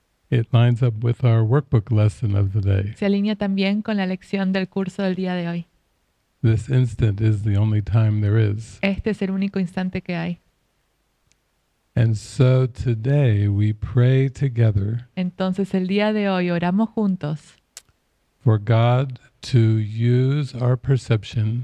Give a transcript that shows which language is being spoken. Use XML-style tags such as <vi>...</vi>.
<en>It lines up with our workbook lesson of the day.</en> <es>Se alinea también con la lección del curso del día de hoy.</es> <en>This instant is the only time there is.</en> <es>Este es el único instante que hay.</es> <en>And so today we pray together.</en> <es>Entonces el día de hoy oramos juntos.</es> <en>For God to use our perception.</en>